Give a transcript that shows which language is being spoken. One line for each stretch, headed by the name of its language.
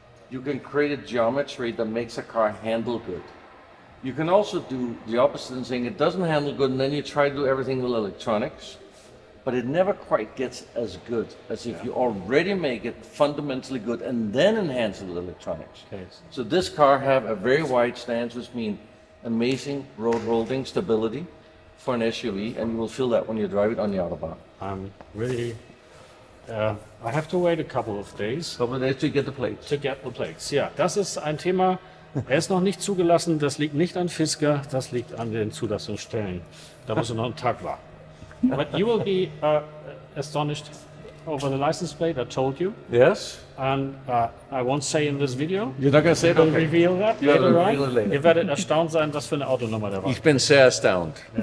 English: you can create a geometry that makes a car handle good. You can also do the opposite and saying it doesn't handle good, and then you try to do everything with electronics, but it never quite gets as good as if you already make it fundamentally good and then enhance it with electronics. Okay. So this car have a very wide stance, which means amazing road holding stability for an SUV, and you will feel that when you drive it on the Autobahn. I'm really, I have to wait a couple of days. Couple of days to get the plates. To get the plates, yeah.
German: Das ist ein Thema, er ist noch nicht zugelassen, das liegt nicht an Fisker, das liegt an den Zulassungsstellen. Da muss er noch einen Tag warten.
English: But you will be astonished over the license plate, I told you. Yes. And I won't say in this video. You're not going to say it? I'll reveal that you later on. Reveal it later.
German: You werdet erstaunt sein, was für eine Autonummer da war. Ich bin sehr erstaunt.